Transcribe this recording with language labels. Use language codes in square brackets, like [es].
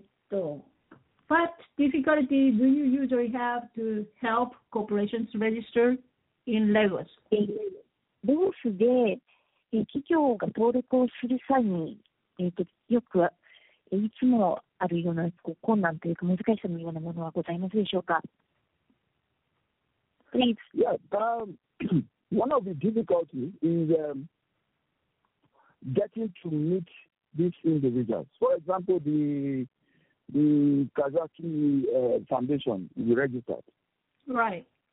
[en] What difficulty do you usually have to help corporations register in Lagos? [ja] ロースで企業が登録をする際に、よくいつもあるような困難というか難しさのようなものはございますでしょうか? [en] Please. Yeah, one of the difficulties is getting to meet these individuals. For example, the Kazaki Foundation is registered. Right.